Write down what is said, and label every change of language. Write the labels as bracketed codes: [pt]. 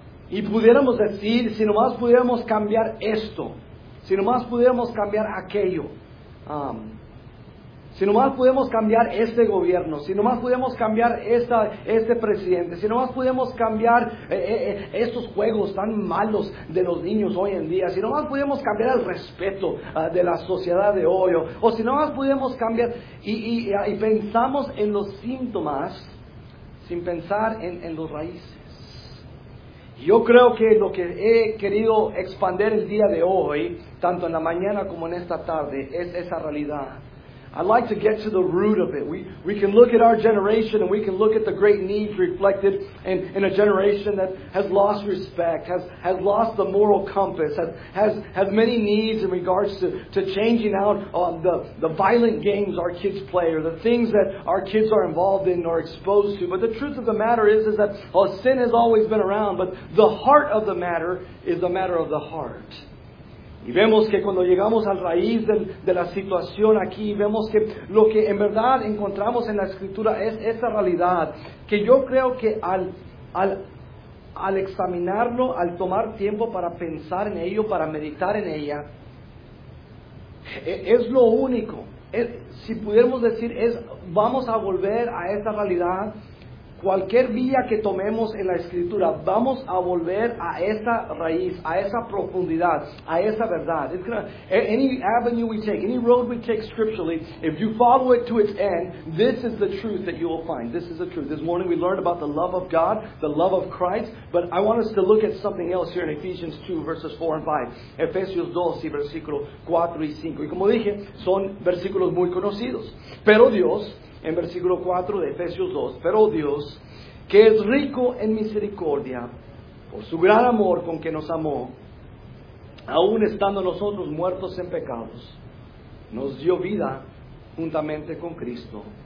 [es] Y pudiéramos decir, si nomás pudiéramos cambiar esto, si nomás pudiéramos cambiar aquello, si nomás pudiéramos cambiar este gobierno, si nomás pudiéramos cambiar este presidente, si nomás pudiéramos cambiar estos juegos tan malos de los niños hoy en día, si nomás pudiéramos cambiar el respeto de la sociedad de hoy, o si nomás pudiéramos cambiar, y pensamos en los síntomas sin pensar en los raíces. Yo creo que lo que he querido expandir el día de hoy, tanto en la mañana como en esta tarde, es esa realidad. [en] I'd like to get to the root of it. We can look at our generation and we can look at the great needs reflected in a generation that has lost respect, has lost the moral compass, has many needs in regards to changing out the violent games our kids play or the things that our kids are involved in or exposed to. But the truth of the matter is that sin has always been around, but the heart of the matter is a matter of the heart. [es] Y vemos que cuando llegamos al raíz de la situación aquí, vemos que lo que en verdad encontramos en la Escritura es esa realidad, que yo creo que al examinarlo, al tomar tiempo para pensar en ello, para meditar en ella, es lo único. Si pudiéramos decir, vamos a volver a esa realidad, cualquier vía que tomemos en la Escritura, vamos a volver a esa raíz, a esa profundidad, a esa verdad. [en] It's gonna, any avenue we take, any road we take scripturally, if you follow it to its end, this is the truth that you will find. This is the truth. This morning we learned about the love of God, the love of Christ, but I want us to look at something else here in Ephesians 2, verses 4 and 5. [es] Efesios 2, y versículos 4 y 5. Y como dije, son versículos muy conocidos. Pero Dios, en versículo 4 de Efesios 2, pero Dios, que es rico en misericordia, por su gran amor con que nos amó, aún estando nosotros muertos en pecados, nos dio vida juntamente con Cristo.